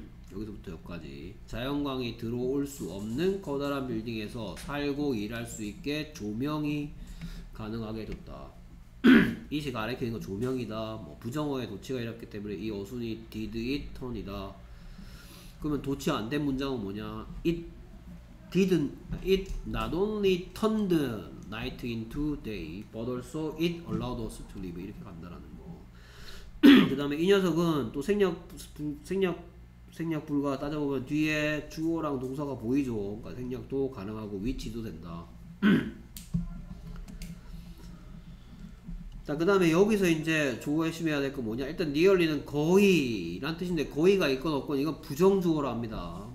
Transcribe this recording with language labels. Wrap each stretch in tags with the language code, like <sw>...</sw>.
<ko>여기서부터 여기까지. 자연광이 들어올 수 없는 커다란 빌딩에서 살고 일할 수 있게 조명이 가능하게 해줬다. 이 시 가리키는 건 조명이다. 뭐 부정어의 도치가 이렇기 때문에 이 어순이</ko> <en>did it turn</en> <ko>이다. 그러면 도치 안 된 문장은 뭐냐?</ko> <en>It not only turned night into day, but also it allowed us to live.</en> <ko>이렇게 간다라는 거. 그 다음에 이 녀석은 또 생략 불가 따져보면 뒤에 주어랑 동사가 보이죠. 그러니까 생략도 가능하고 위치도 된다. 자, 그 다음에 여기서 이제 조심해야 될 거 뭐냐. 일단 nearly는 거의 라는 뜻인데 거의가 있건 없건 이건 부정주어라 합니다.</ko>